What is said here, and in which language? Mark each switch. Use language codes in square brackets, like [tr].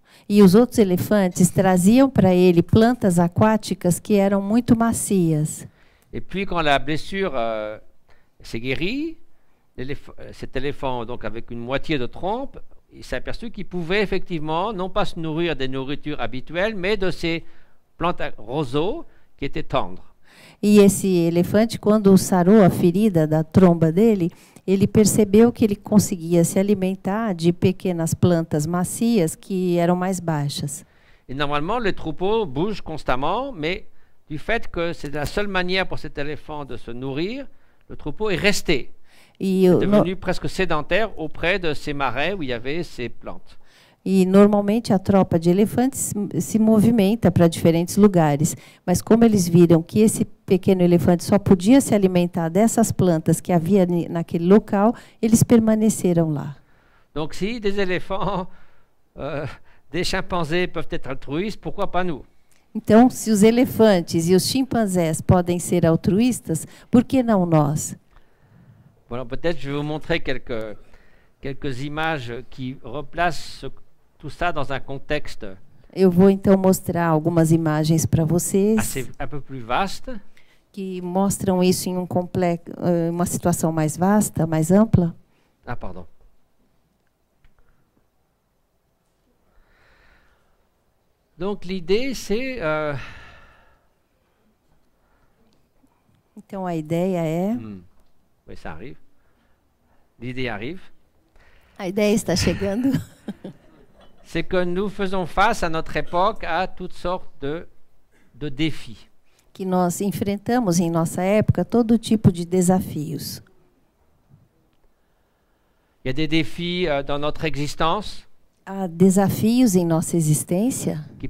[pt] E os outros elefantes traziam para ele plantas aquáticas que eram muito macias. [fr] Et puis quand la blessure s'est guérie, cet éléphant donc avec une moitié de trompe, il s'est aperçu qu'il pouvait effectivement non pas se nourrir des nourritures habituelles, mais de ces plantes roseaux qui étaient tendres. [pt] E esse elefante, quando sarou a ferida da tromba dele, ele percebeu que ele conseguia se alimentar de pequenas plantas macias que eram mais baixas. [fr] Et normalement le troupeau bouge constamment, mais du fait que c'est la seule manière pour cet éléphant de se nourrir, le troupeau est resté. Il est devenu presque sédentaire auprès de ces marais où il y avait ces plantes. [pt] E, normalmente, a tropa de elefantes se movimenta para diferentes lugares. Mas, como eles viram que esse pequeno elefante só podia se alimentar dessas plantas que havia naquele local, eles permaneceram lá. [fr] Donc, si des éléphants, des chimpanzés peuvent être altruistes, pourquoi pas nous? [pt] Então, se os elefantes e os chimpanzés podem ser altruístas, por que não nós? [fr] Bueno, peut-être je vais vous montrer quelques images qui replacent tout ça dans un contexte. [pt] Eu vou então mostrar algumas imagens para vocês. [fr] Assez, un peu plus vaste. [pt] Que mostram isso em uma situação mais vasta, mais ampla. [fr] Ah, pardon. Donc l'idée c'est [pt] Então a ideia é [fr] Oui, ça arrive. L'idée arrive. [pt] A ideia está chegando. [fr] C'est que nous faisons face à notre époque à toutes sortes de défis. [pt] Que nós enfrentamos em nossa época todo tipo de desafios. [fr] Il y a des défis dans notre existence. [pt] Há desafios em nossa existência